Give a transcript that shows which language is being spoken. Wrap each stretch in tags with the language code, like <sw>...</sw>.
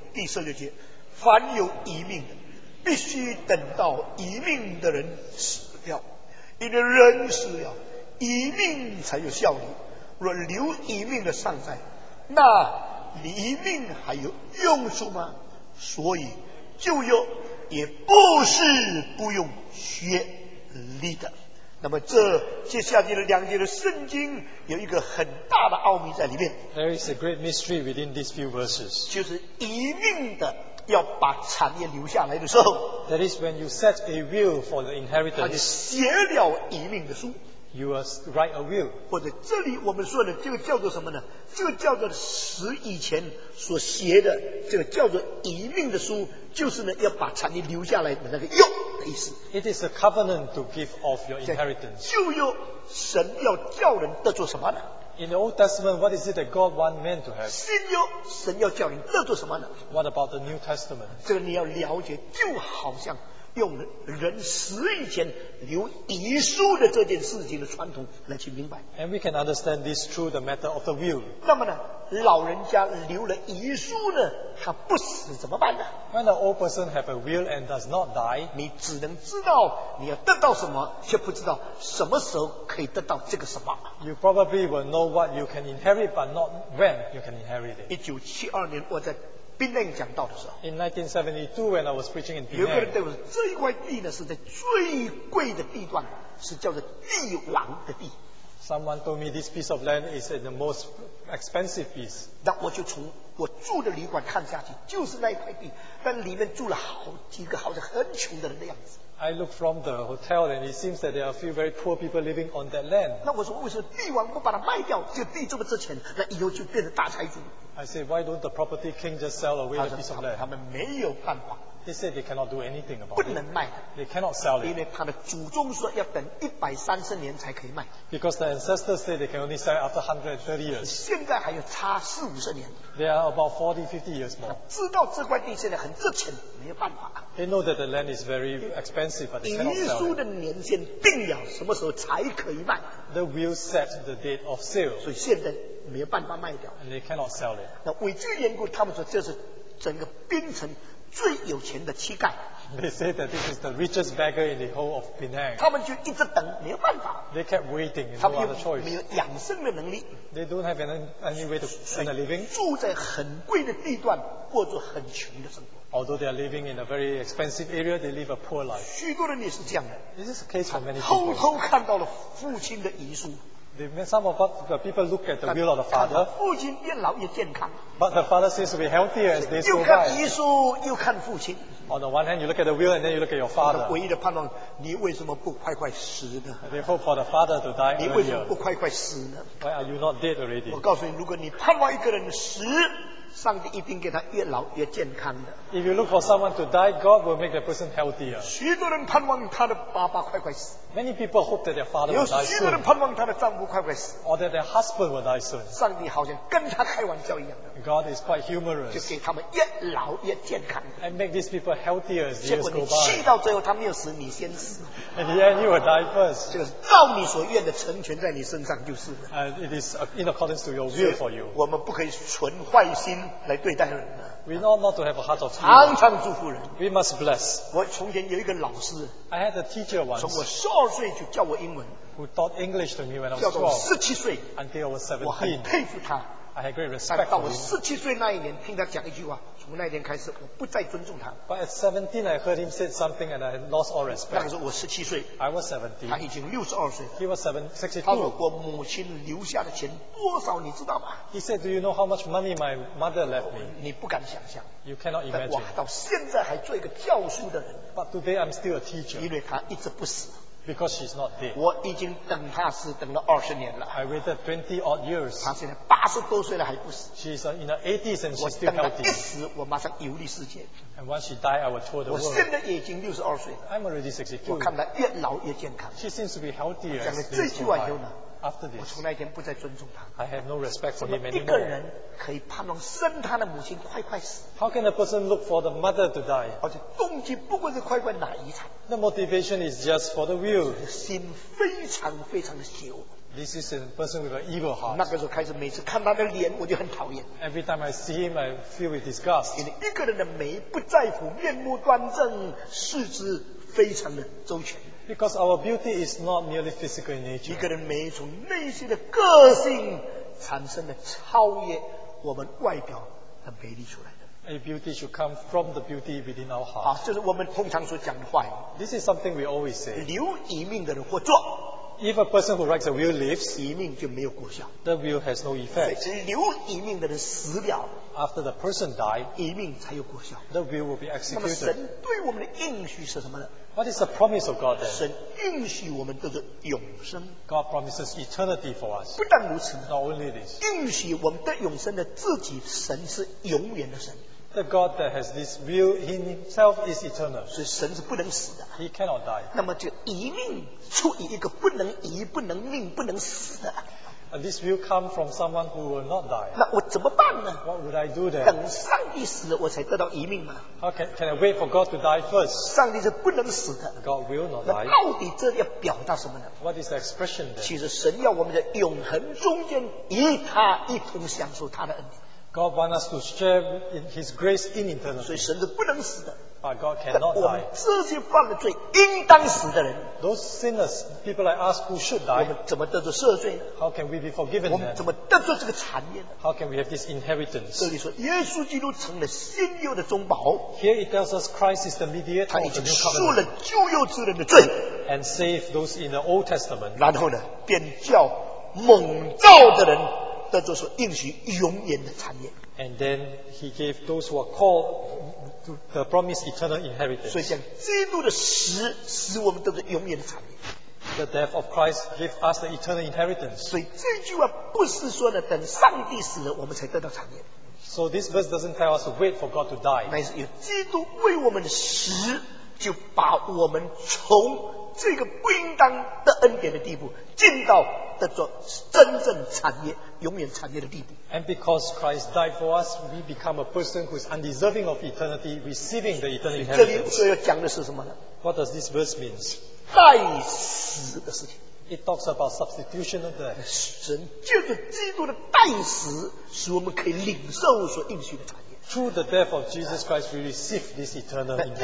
<zh>大家一同来读。为此他做了新约的中保，既然受死，赎了人在前约之时所犯的罪，便叫蒙召的人得着所应许永远的产业。第十六节，凡有一命的， 必须等到一命的人死掉，因为人死了，一命才有效力。若留一命的尚在，那一命还有用处吗？所以旧约也不是不用血立的。那么这接下来的两节的圣经有一个很大的奥秘在里面。</zh> <en>There is a great mystery within these few verses.</en> <zh>就是一命的 要把产业留下来的时候，</zh> <en>that is when you set a will for the inheritance.</en> <zh>他写了遗命的书，</zh> <en>You must write a will.</en> <zh>或者这里我们说的这个叫做什么呢？这个叫做死以前所写的这个叫做遗命的书，就是呢要把产业留下来的那个用的意思。</zh> <en>It is a covenant to give of your inheritance.</en> <zh>就有神要叫人得做什么呢？</zh> <en>In the Old Testament, what is it that God wants men to have?</en> <zh>新约神要叫人得做什么呢</zh> <en>？What about the New Testament?</en> <zh>这个你要了解，就好像用人死以前留遗书的这件事情的传统来去明白。</zh> <en>And we can understand this through the matter of the will.</en> <zh>那么呢，老人家留了遗书呢，他不死怎么办呢</zh> <en>？When an old person have a will and does not die,</en> <zh>你只能知道你要得到什么，却不知道什么时候可以得到这个什么。</zh> <en>You probably will know what you can inherit, but not when you can inherit it.</en> <zh>1972年我在槟城讲道的时候</zh> <en>，In 1972, when I was preaching in Penang,</en> <zh>有个人对我说，这一块地呢是在最贵的地段，是叫做帝王的地。</zh> <en>Someone told me this piece of land is the most expensive piece.</en> <zh>那我就从我住的旅馆看下去，就是那一块地，但里面住了好几个，好像很穷的人的样子。</zh> <en>I look from the hotel and it seems that there are a few very poor people living on that land.</en> <zh>那我说为什么帝王不把它卖掉，这个地这么值钱，那以后就变成大财主。</zh> <en>I say, why don't the property king just sell away a piece of land?</en> <zh>他们没有办法。</zh> <en>They say they cannot do anything about it.</en> <zh>不能卖的。</zh> <en>They cannot sell it.</en> <zh>因为他的祖宗说要等130年才可以卖。</zh> <en>Because the ancestors say they can only sell it after 130 years.</en> <zh>现在还有差40-50年。</zh> <en>They are about 40-50 years more.</en> <zh>知道这块地现在很值钱，没有办法。</zh> <en>They know that the land is very expensive, but they cannot sell it.</en> <zh>遗书的年限定了什么时候才可以卖。</zh> <en>The will set the date of sale.</en> <zh>所以现在没有办法卖掉。</zh> <en>And they cannot sell it.</en> <zh>那为这个缘故，他们说这是整个槟城最有钱的乞丐。</zh> <en>They say that this is the richest beggar in the whole of Penang.</en> <zh>他们就一直等，没有办法。</zh> <en>They kept waiting, no other choice.</en> <zh>没有养生的能力。</zh> <en>They don't have any way to earn a living.</en> <zh>住在很贵的地段，过着很穷的生活。</zh> <en>Although they are living in a very expensive area, they live a poor life.</en> <zh>许多人也是这样的。</zh> <en>This is a case for many people.</en> <zh>偷偷看到了父亲的遗书。</zh> <en>Some of the people look at the will of the father.</en> <zh>父亲越老越健康。</zh> <en>But the father seems to be healthier as they survive.</en> <zh>又看遗书，又看父亲。</zh> <en>On the one hand, you look at the will, and then you look at your father.</en> <zh>唯一的盼望，你为什么不快快死呢</zh> <en>？They hope for the father to die earlier.</en> <zh>你为什么不快快死呢</zh> <en>？Why are you not dead already?</en> <zh>我告诉你，如果你盼望一个人死，上帝一定给他越老越健康的。</zh> <en>If you look for someone to die, God will make the person healthier.</en> <zh>许多人盼望他的爸爸快快死。</zh> <en>Many people hope that their father will die soon.</en> <zh>许多人盼望他的丈夫快快死。</zh> <en>Or that their husband will die soon.</en> <zh>上帝好像跟他开玩笑一样的。</zh> <en>God is quite humorous.</en> <zh>就给他们越老越健康的。</zh> <en>And make these people healthier as years go by.</en> <zh>结果你气到最后他没有死，你先死。</zh> <en>In the end, you will die first.</en> <zh>就是照你所愿的成全在你身上就是了。</zh> <en>It is in accordance to your will for you.</en> <zh>我们不可以存坏心来对待人的。</zh> <en>We know not to have a heart of fear.</en> <zh>常常祝福人。</zh> <en>We must bless.</en> <zh>我从前有一个老师。</zh> <en>I had a teacher once.</en> <zh>从我12岁就教我英文。</zh> <en>Who taught English to me when I was 12.</en> <zh>教我17岁。</zh> <en>Until I was 17.</en> <zh>我很佩服他。</zh> <en>I had great respect for him.</en> <zh>到我17岁那一年，听他讲一句话，从那一天开始，我不再尊重他。</zh> <en>But at 17, I heard him say something, and I lost all respect.</en> <zh>那个时候我17岁。</zh> <en>I was 17.</en> <zh>他已经62岁。</zh> <en>He was 62.</en> <zh>他说我母亲留下的钱多少，你知道吗</zh> <en>？He said, "Do you know how much money my mother left me?"</en> <zh>你不敢想象。</zh> <en>You cannot imagine.</en> <zh>但我到现在还做一个教书的人。</zh> <en>But today I'm still a teacher.</en> <zh>因为他一直不死。</zh> <en>Because she's not dead.</en> <zh>我已经等她死等了20年了。</zh> <en>I waited 20 odd years.</en> <zh>她现在80多岁了还不死。</zh> <en>She's in her 80s and she's still healthy.</en> <zh>我等她一死，我马上游历世界。</zh> <en>And once she died, I would tour the world.</en> <zh>我现在已经62岁了。</zh> <en>I'm already 62.</en> <zh>我看她越老越健康。</zh> <en>She seems to be healthier.</en> <zh>讲了这句话以后呢？</zh> <en>After this,</en> <zh>我从那一天不再尊重他。</zh> <en>I have no respect for him anymore.</en> <zh>一个人可以盼望生他的母亲快快死。</zh> <en>How can a person look for the mother to die?</en> <zh>而且动机不过是快快拿遗产。</zh> <en>The motivation is just for the will.</en> <zh>心非常非常的邪恶。</zh> <en>This is a person with an evil heart.</en> <zh>那个时候开始，每次看他的脸，我就很讨厌。</zh> <en>Every time I see him, I feel with disgust.</en> <zh>因为一个人的美不在乎面目端正，四肢非常的周全。</zh> <en>Because our beauty is not merely physical in nature.</en> <zh>一个人美从内心的个性产生的超越我们外表的美丽出来的。</zh> <en>A beauty should come from the beauty within our heart.</en> <zh>好，就是我们通常所讲的话。</zh> <en>This is something we always say.</en> <zh>留遗命的人或做。</zh> <en>if a person who writes a will lives,</en> <zh>遗命就没有果效。</zh> <en>The will has no effect.</en> <zh>对，留遗命的人死了。</zh> <en>After the person died,</en> <zh>遗命才有果效。</zh> <en>The will will be executed.</en> <zh>那么神对我们的应许是什么呢？</zh> <en>What is the promise of God then?</en> <zh>神允许我们得着永生。</zh> <en>God promises eternity for us.</en> <zh>不但如此，</zh> <en>Not only this.</en> <zh>允许我们得永生的自己神是永远的神。</zh> <en>The God that has this will himself is eternal.</en> <zh>所以神是不能死的。</zh> <en>He cannot die.</en> <zh>那么就遗命出于一个不能遗、不能命、不能死的。</zh> <en>And this will come from someone who will not die.</en> <zh>那我怎么办呢？</zh> <en>What would I do then?</en> <zh>等上帝死了我才得到遗命嘛。</zh> <en>How can I wait for God to die first?</en> <zh>上帝是不能死的。</zh> <en>God will not die.</en> <zh>那到底这要表达什么呢？</zh> <en>What is the expression then?</en> <zh>其实神要我们在永恒中间与他一同享受他的恩典。</zh> <en>God wants us to share in His grace in eternity.</en> <zh>所以神是不能死的。</zh> <en>But God cannot die.</en> <zh>我们这些犯了罪应当死的人，</zh> <en>Those sinners, people like us who should die,</en> <zh>我们怎么得着赦罪呢？</zh> <en>How can we be forgiven then?</en> <zh>我们怎么得着这个产业呢？</zh> <en>How can we have this inheritance?</en> <zh>这里说耶稣基督成了新约的中保。</zh> <en>Here it tells us Christ is the mediator of the new covenant.</en> <zh>他已经赎了旧约之人的罪。</zh> <en>And save those in the Old Testament.</en> <zh>然后呢，便叫蒙召的人得着所应许永远的产业。</zh> <en>And then he gave those who are called the promised eternal inheritance.</en> <zh>所以像基督的死使我们得着永远的产业。</zh> <en>The death of Christ gave us the eternal inheritance.</en> <zh>所以这句话不是说的等上帝死了我们才得到产业。</zh> <en>So this verse doesn't tell us to wait for God to die.</en> <zh>乃是有基督为我们的死，就把我们从这个不应当得恩典的地步，进到得着真正产业。永远产业的地步。</zh> <en>And because Christ died for us, we become a person who is undeserving of eternity, receiving the eternal inheritance.</en> <zh>这里所要讲的是什么呢？</zh> <en>What does this verse mean?</en> <zh>代死的事情。</zh> <en>It talks about substitution of death.</en> <zh>神就是基督的代死，使我们可以领受所应许的产业。</zh> <en>Through the death of Jesus Christ, we receive this eternal inheritance.</en>